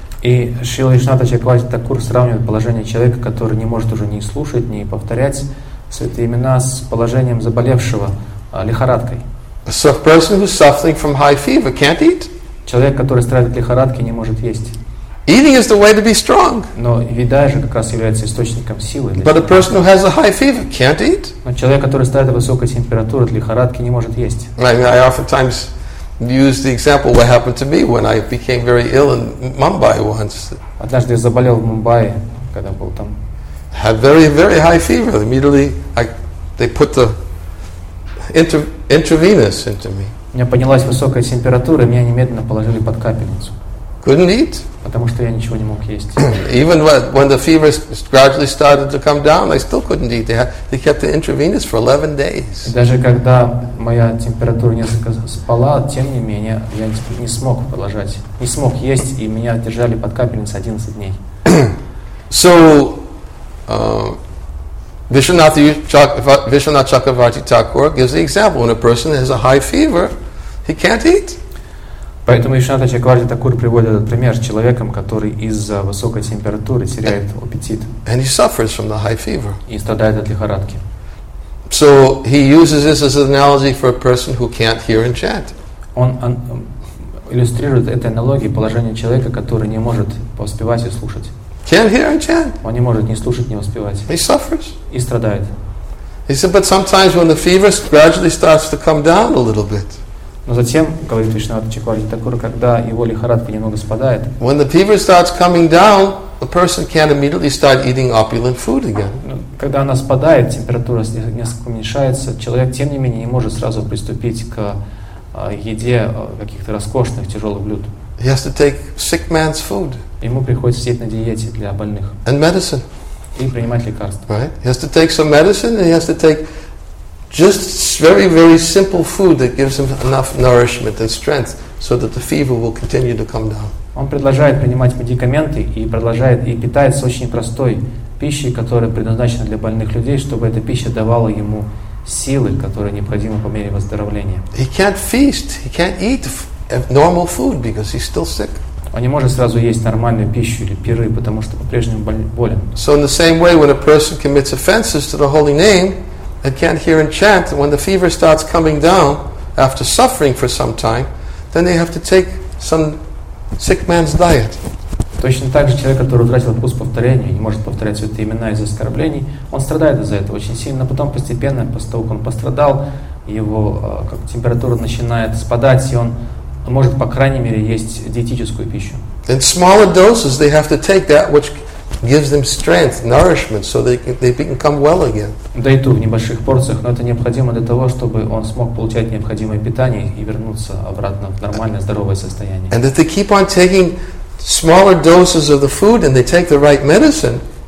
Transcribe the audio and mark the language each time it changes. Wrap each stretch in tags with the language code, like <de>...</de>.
<ru>И Шрила Вишната Чакравати Такур сравнивает положение человека, который не может уже ни слушать, ни повторять святые имена, с положением заболевшего лихорадкой.</ru> <en>So a person who's suffering from high fever can't eat.</en> <ru>Человек, который страдает лихорадкой, не может есть.</ru> <en>Eating is the way to be strong.</en> <ru>Но еда же как раз является источником силы.</ru> <en>But a person who has a high fever can't eat.</en> <ru>Но человек, который страдает высокой температурой от лихорадки, не может есть.</ru> <en>I oftentimes use the example what happened to me when I became very ill in Mumbai once.</en> <ru>Однажды я заболел в Мумбаи, когда был там.</ru> <en>Had very very high fever. Immediately, they put the intravenous into me.</en> <ru>У меня поднялась высокая температура, меня немедленно положили под капельницу.</ru> <en>Couldn't eat.</en> <ru>Потому что я ничего не мог есть.</ru> <en>Even when the fever gradually started to come down, I still couldn't eat. They kept the intravenous for 11 days.</en> <ru>Даже когда моя температура несколько спала, тем не менее я не смог есть, и меня держали под капельницей 11 дней.</ru> <en>So Vishwanath Chakravarti Thakur gives the example: when a person has a high fever, he can't eat.</en> <ru>Поэтому Вишната Чакварти Такур приводит этот пример с человеком, который из-за высокой температуры теряет аппетит.</ru> <en>And he suffers from the high fever.</en> <ru>И страдает от лихорадки.</ru> <en>So he uses this as an analogy for a person who can't hear and chant.</en> <ru>Он иллюстрирует этой аналогией положение человека, который не может поспевать и слушать.</ru> <en>Can't hear and chant.</en> <ru>Он не может ни слушать, ни воспевать.</ru> <en>He suffers.</en> <ru>И страдает.</ru> <en>He said, but sometimes when the fever gradually starts to come down a little bit.</en> <ru>Но затем, говорит Вишнавата Чакварти Такур, когда его лихорадка немного спадает.</ru> <en>When the fever starts coming down, the person can't immediately start eating opulent food again.</en> <ru>Когда она спадает, температура несколько уменьшается, человек тем не менее не может сразу приступить к еде каких-то роскошных тяжелых блюд.</ru> <en>He has to take sick man's food.</en> <ru>Ему приходится сидеть на диете для больных.</ru> <en>And medicine.</en> <ru>И принимать лекарства.</ru> <en>Right. He has to take some medicine, and he has to take just very, very simple food that gives him enough nourishment and strength, so that the fever will continue to come down.</en> <ru>Он продолжает принимать медикаменты и продолжает и питается очень простой пищей, которая предназначена для больных людей, чтобы эта пища давала ему силы, которые необходимы по мере выздоровления.</ru> <en>He can't feast. He can't eat normal food because he's still sick.</en> <ru>Он не может сразу есть нормальную пищу или пиры, потому что по-прежнему болен.</ru> <en>So in the same way, when a person commits offenses to the holy name, and can't hear and chant, when the fever starts coming down after suffering for some time, then they have to take some sick man's diet.</en> <ru>Точно так же человек, который утратил вкус повторения, не может повторять святые имена из-за оскорблений, он страдает из-за этого очень сильно. Потом постепенно, после того, как он пострадал, его как температура начинает спадать, и он может, по крайней мере, есть диетическую пищу.</ru> <en>In smaller doses, they have to take that which gives them strength, nourishment, so they can come well again.</en> <ru>Да и то в небольших порциях, но это необходимо для того, чтобы он смог получать необходимое питание и вернуться обратно в нормальное, здоровое состояние.</ru> <en>And if they keep on taking smaller doses of the food and they take the right medicine.</en>